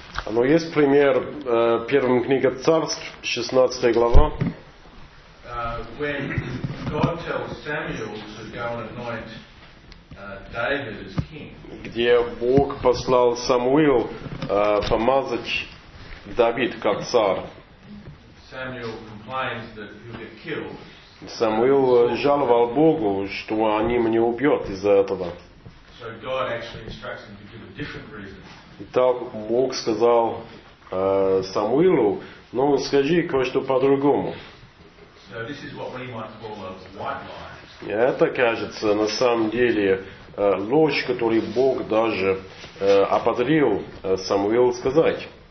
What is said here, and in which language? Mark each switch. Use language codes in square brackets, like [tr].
[ru] Но есть пример первым книга Царств, 16 глава. [en] When God tells Samuel to go and anoint David as king. [ru] Где Бог послал Самуил помазать Давид как царь. [en] Samuel complains that he'll get killed. [ru] Самуил жаловал Богу, что они мне убьют из-за этого. [en] So God actually instructs him to give a different reason. [ru] И так Бог сказал Самуилу, скажи кое-что по-другому. [en] So this is what we might call a white lie. [ru] Это кажется на самом деле ложь, которую Бог даже ободрил Самуилу сказать.